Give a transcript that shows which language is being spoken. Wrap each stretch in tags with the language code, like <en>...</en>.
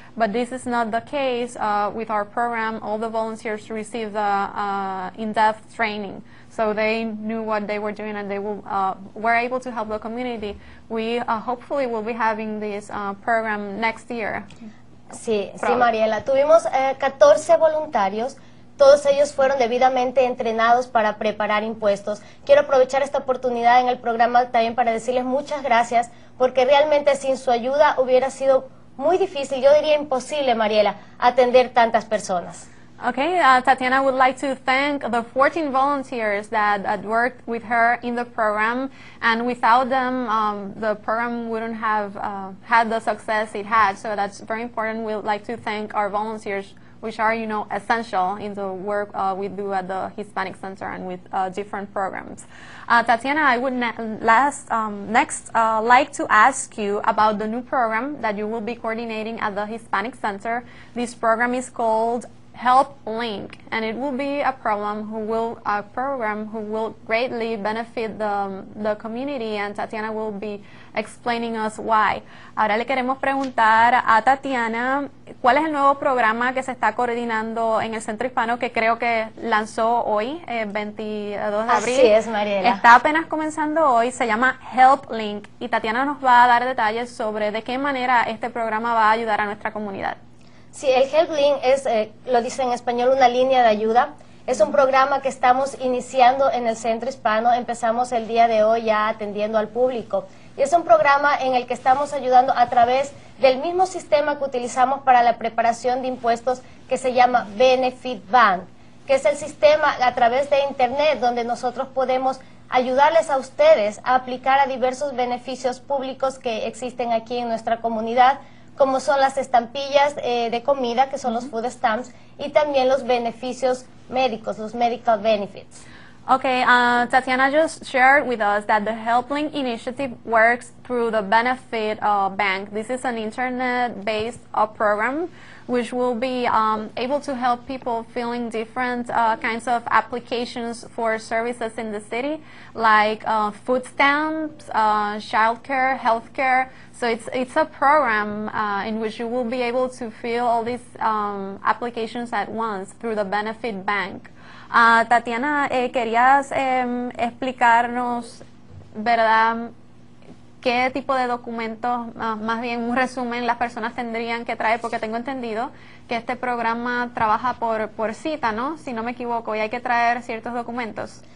<en>But this is not the case with our program. All the volunteers receive the in-depth training, so they knew what they were doing and they were able to help the community. We hopefully will be having this program next year.</en> <es>Sí, sí, Mariela. Tuvimos 14 voluntarios. Todos ellos fueron debidamente entrenados para preparar impuestos. Quiero aprovechar esta oportunidad en el programa también para decirles muchas gracias, porque realmente sin su ayuda hubiera sido muy difícil, yo diría imposible, Mariela, atender tantas personas.</es> <en>Okay, Tatiana would like to thank the 14 volunteers that had worked with her in the program, and without them, the program wouldn't have had the success it had, so that's very important. We'd like to thank our volunteers, which are, you know, essential in the work we do at the Hispanic Center and with different programs. Tatiana, I would like to ask you about the new program that you will be coordinating at the Hispanic Center. This program is called Help Link, and it will be a program who will greatly benefit the community, and Tatiana will be explaining us why.</en> <es>Ahora le queremos preguntar a Tatiana, ¿cuál es el nuevo programa que se está coordinando en el Centro Hispano que creo que lanzó hoy, el 22 de abril? Así es, Mariela. Está apenas comenzando hoy, se llama Help Link, y Tatiana nos va a dar detalles sobre de qué manera este programa va a ayudar a nuestra comunidad. Sí, el Help Link es, lo dice en español, una línea de ayuda. Es un programa que estamos iniciando en el Centro Hispano. Empezamos el día de hoy ya atendiendo al público. Y es un programa en el que estamos ayudando a través del mismo sistema que utilizamos para la preparación de impuestos, que se llama Benefit Bank, que es el sistema a través de Internet donde nosotros podemos ayudarles a ustedes a aplicar a diversos beneficios públicos que existen aquí en nuestra comunidad, como son las estampillas de comida, que son los</es> <en>food stamps,</en> <es>y también los beneficios médicos, los</es> <en>medical benefits. Okay, Tatiana just shared with us that the HelpLink initiative works through the Benefit Bank. This is an internet-based program which will be able to help people filling different kinds of applications for services in the city, like food stamps, childcare, healthcare. So it's a program in which you will be able to fill all these applications at once through the Benefit Bank.</en> <es>Tatiana, ¿querías explicarnos, verdad, qué tipo de documentos, más bien un resumen, las personas tendrían que traer? Porque tengo entendido que este programa trabaja por cita, ¿no? Si no me equivoco, y hay que traer ciertos documentos.</es>